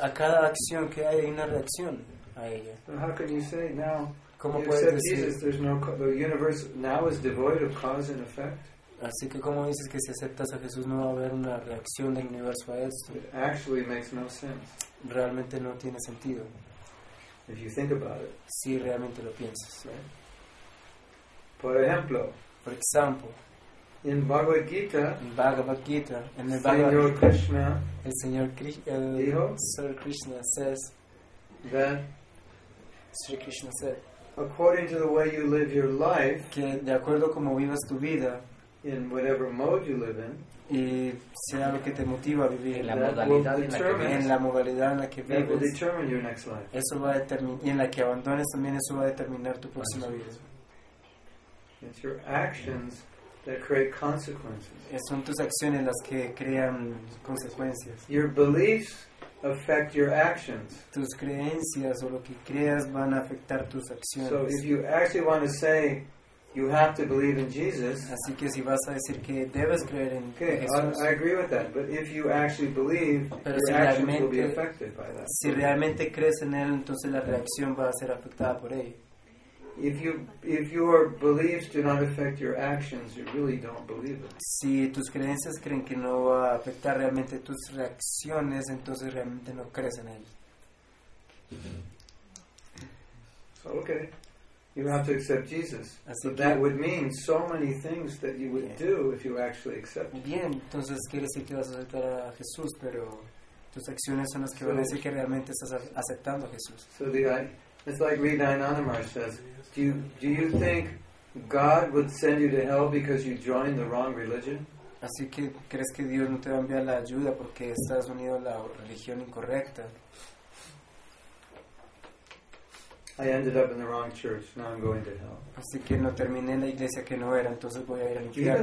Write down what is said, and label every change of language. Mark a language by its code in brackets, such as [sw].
[es] A cada acción que hay una reacción a ella. [en] So how can you say now, [es] ¿cómo [en] you said [es] decir? [en] Jesus, there's no the universe now is devoid of cause and effect. [es] Así que cómo dices que si aceptas a Jesús no va a haber una reacción del universo a esto. [en] It actually makes no sense. [es] Realmente no tiene sentido. [en] If you think about it. [es] Si realmente lo piensas. Right? Por ejemplo. [en] For example. In Bhagavad Gita. In Bhagavad Gita. [es] En el Señor Krishna. El Señor Krishna. Dijo. [en] Sir Krishna says. That. Sir Krishna said. According to the way you live your life. [es] Que de acuerdo a cómo vivas tu vida. [en] In whatever mode you live in, [es] y sea lo que te motiva a vivir en la modalidad en la modalidad en la que vives, [en] that will determine your next life. [es] Eso va a determinar, y en la que abandones también eso va a determinar tu próxima vida. [en] It's your actions that create consequences. [es] Son tus acciones las que crean consecuencias. [en] Your beliefs affect your actions. [es] Tus creencias o lo que creas van a afectar tus acciones. [en] So if you actually want to say you have to believe in Jesus. [es] Así que si vas a decir que debes creer en Jesús. [en] Okay, I agree with that. But if you actually believe, [es] pero [en] your actions will be affected by that. [es] Si realmente crees en él, entonces la reacción va a ser afectada por ello. [en] If your beliefs do not affect your actions, you really don't believe it. [es] Si tus creencias creen que no va a afectar realmente tus reacciones, entonces realmente no crees en él. [en] So, okay. You have to accept Jesus. [es] Así [en] but that would mean so many things that you would do if you actually accept. [es] Bien, entonces quiere decir que vas a aceptar a Jesús, pero tus acciones son las que van a decir que realmente estás aceptando a Jesús. [en] So it's like Reena Anamar says, do you think God would send you to hell because you joined the wrong religion? [es] Así que crees que Dios no te va a enviar la ayuda porque estás unido a la religión incorrecta. [en] I ended up in the wrong church. Now I'm going to hell. [es] Así que no terminé en la iglesia que no era, entonces voy a ir al infierno.